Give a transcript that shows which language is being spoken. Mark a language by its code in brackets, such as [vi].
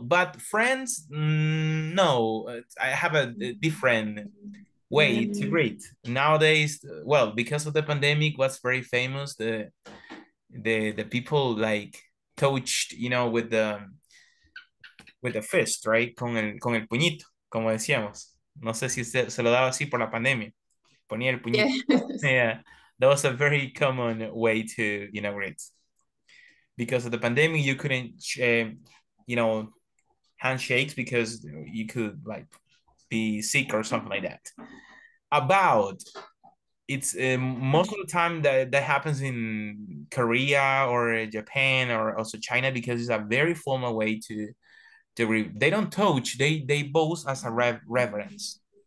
[en] But friends, no, I have a different way to greet. Nowadays, well, because of the pandemic, what's very famous, the people like touched, you know, with the fist, right? [es] Con el puñito, como decíamos. No sé si se lo daba así por la pandemia. Ponía el puñito. [en] Yes. Yeah. That was a very common way to, you know, greet. Because of the pandemic, you couldn't, you know, handshakes because you could, like, be sick or something like that. About, it's most of the time that happens in Korea or Japan or also China because it's a very formal way to, they don't touch, they boast as a reverence.